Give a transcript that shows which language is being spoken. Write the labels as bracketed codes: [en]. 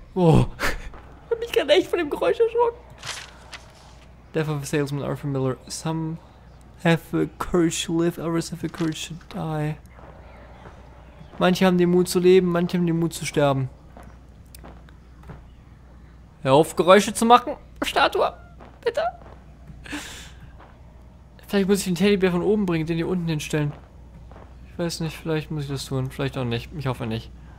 [de] Ich hab mich gerade echt von dem Geräusch erschrocken. [en] Death of a Salesman, Arthur Miller. Some have the courage to live, others have the courage to die. [de] Manche haben den Mut zu leben, manche haben den Mut zu sterben. Hör auf, Geräusche zu machen, Statue! Bitte! Vielleicht muss ich den Teddybär von oben bringen, den hier unten hinstellen. Ich weiß nicht, vielleicht muss ich das tun, vielleicht auch nicht, ich hoffe nicht.